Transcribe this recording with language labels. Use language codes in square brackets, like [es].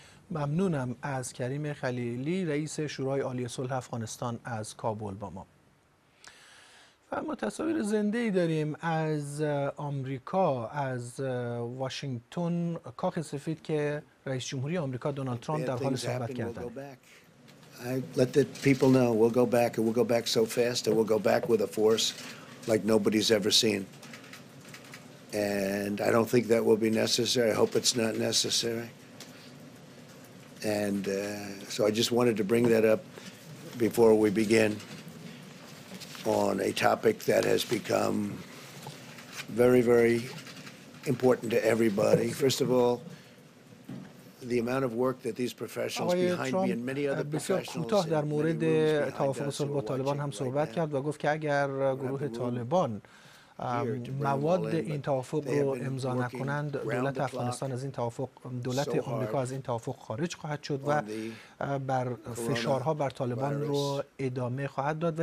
[fa] ممنونم از کریم خلیلی، رئیس شورای عالی صلح افغانستان از کابل با ما. ما تصاویر زنده ای داریم از آمریکا، از واشنگتن، کاخ سفید، که رئیس جمهوری آمریکا دونالد ترامپ در حال صحبت کردن. [en] I let the people know we'll go back and we'll go back so fast and we'll go back with a force like nobody's ever seen. And I don't think that will be necessary. I hope it's not necessary. And so I just wanted to bring that up before we begin on a topic that has become very, very important to everybody. First of all, the amount of work that these professionals behind me and many other professionals [fa] در مورد توافق صلح با طالبان هم صحبت کرد و گفت که اگر گروه طالبان مواد این توافق رو امضا نکنند، دولت افغانستان از این توافق، دولت آمریکا از این توافق خارج خواهد شد و بر فشارها بر طالبان رو ادامه خواهد داد.